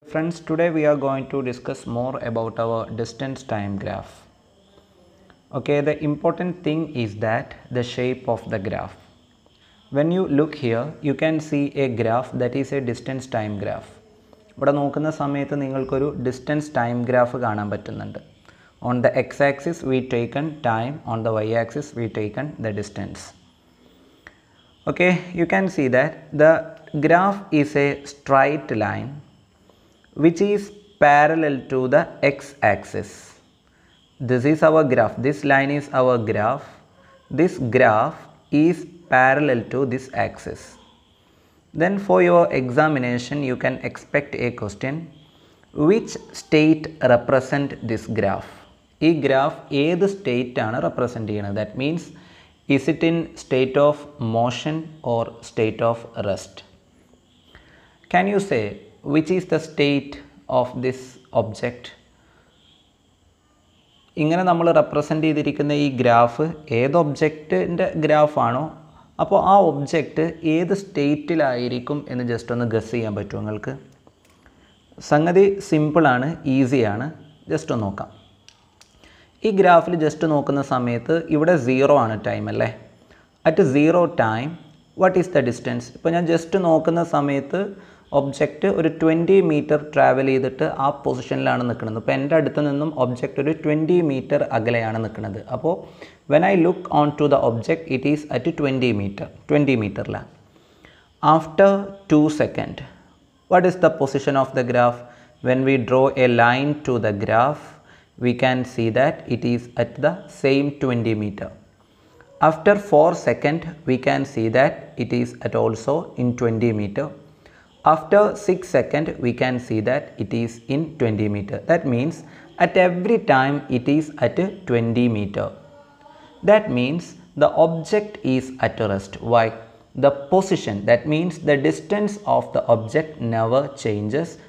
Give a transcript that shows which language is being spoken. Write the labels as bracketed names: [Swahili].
[English] Friends, today we are going to discuss more about our distance time graph. Okay, the important thing is that the shape of the graph. When you look here, you can see a graph that is a distance time graph. [Malayalam] ഇവിടെ നോക്കുന്ന സമയത്ത് നിങ്ങൾക്കൊരു distance time graph കാണാൻ പറ്റുന്നുണ്ട്. [English] On the X axis we taken time, on the Y axis we taken the distance. Okay, you can see that the graph is a straight line which is parallel to the X axis. This is our graph. This line is our graph. This graph is parallel to this axis. Then for your examination, you can expect a question, which state represent this graph? [Malayalam] ഈ graph ഏത് state ആണ് represent ചെയ്യുന്നത്? [English] That means, is it in state of motion or state of rest? Can you say, which is the state of this object? [Malayalam] ഇങ്ങനെ നമ്മൾ represent ചെയ്തിരിക്കുന്ന ഈ graph ഏത് ഒബ്ജക്റ്റിൻ്റെ graph ആണോ, അപ്പോൾ ആ ഒബ്ജക്റ്റ് ഏത് സ്റ്റേറ്റിലായിരിക്കും എന്ന് ജസ്റ്റ് ഒന്ന് ഗസ് ചെയ്യാൻ പറ്റുമോ നിങ്ങൾക്ക്? സംഗതി സിമ്പിളാണ്, ഈസിയാണ്. ജസ്റ്റ് ഒന്ന് നോക്കാം. ഈ ഗ്രാഫിൽ ജസ്റ്റ് നോക്കുന്ന സമയത്ത് ഇവിടെ സീറോ ആണ് ടൈം, അല്ലേ? [English] At zero time what is the distance? [Malayalam] ഇപ്പോൾ ഞാൻ ജസ്റ്റ് നോക്കുന്ന സമയത്ത് ഒബ്ജക്റ്റ് ഒരു 20 meters ട്രാവൽ ചെയ്തിട്ട് ആ പൊസിഷനിലാണ് നിൽക്കുന്നത്. ഇപ്പോൾ എൻ്റെ അടുത്ത് നിന്നും ഒബ്ജക്റ്റ് ഒരു 20 meters അകലെയാണ് നിൽക്കുന്നത്. [English] അപ്പോൾ when I look on to the object it is at 20 meters. After 2 seconds, what is the position of the graph? When we draw a line to the graph, we can see that it is at the same 20 meters. After 4 seconds, we can see that it is at also in 20 meters. After 6 seconds, we can see that it is in 20 meters. That means, at every time, it is at 20 meters. That means, the object is at rest. Why? The position, that means the distance of the object never changes.